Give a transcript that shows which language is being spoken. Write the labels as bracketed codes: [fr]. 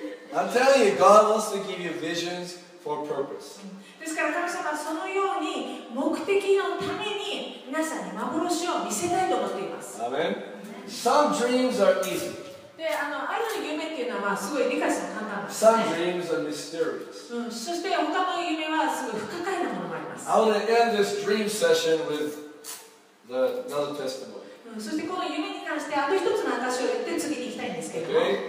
[en] I'm telling you, God wants to give you visions for purpose. [ja] ですから神様はそのように目的のために皆さんに幻を見せたいと思っています。 [en] Amen. Some dreams are easy. [ja] で、ある夢っていうのはすごい理解するのが簡単です。 [en] Some dreams are mysterious. [ja] そして他の夢はすごい不可解なものもあります。 [en] I want to end this dream session with the another testimony. [ja] そしてこの夢に関してあと一つの証を言って次に行きたいんですけれども。